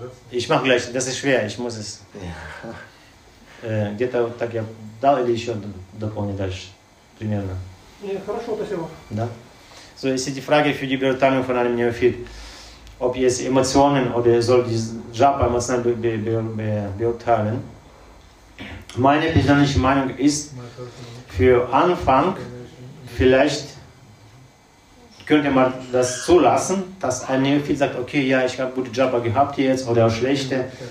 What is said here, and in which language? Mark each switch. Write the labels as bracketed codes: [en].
[de] Ich mache gleich, das ist schwer, ich muss es. [ru] Где-то вот так я дал или еще дополнить дальше, примерно. Хорошо, спасибо. Да. [de] So, эти фраги für die Beurteilung von einem Neophyt. Ob es Emotionen oder soll die Japa emotional beurteilen. Meine persönliche Meinung ist, für Anfang vielleicht könnte man das zulassen, dass ein Neophyt sagt, okay, ja, ich habe gute Japa gehabt jetzt oder auch schlechte.